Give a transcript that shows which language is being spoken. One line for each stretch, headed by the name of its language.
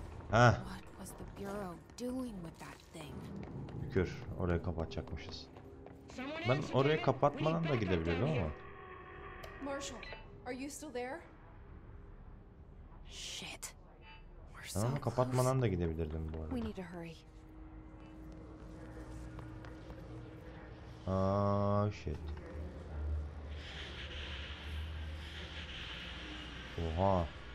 English: What was the bureau doing with that thing?
Turkish: Şükür, orayı kapatacakmışız. Ben orayı kapatmadan da gidebilirim ama.
English: Marshall, are you still there? Shit. We're
Turkish: Ama kapatmadan da gidebilirdim bu arada. Shit. Oha.